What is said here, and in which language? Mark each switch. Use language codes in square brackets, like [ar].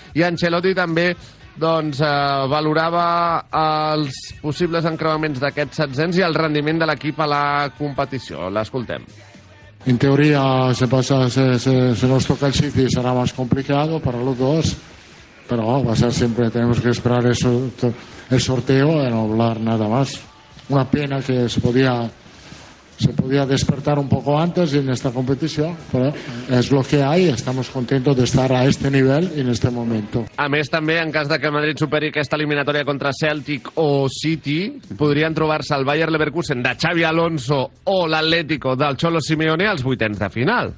[ca] I Ancelotti també doncs, valorava els possibles encreuaments d'aquests setzens i el rendiment de l'equip a la competició. L'escoltem. [es] En teoria, si pasa, si nos toca el City, [ca] serà més complicat per als dos. [es] Pero va a ser siempre, tenemos que esperar eso, el sorteo y no hablar nada más. Una pena que se podía despertar un poco antes en esta competición, pero es lo que hay, estamos contentos de estar a este nivel en este momento. [ca] A més, també, en cas de que el Madrid superi aquesta eliminatòria contra Celtic o City, podrien trobar-se el Bayer Leverkusen de Xavi Alonso o l'Atlético del Cholo Simeone als vuitens de final.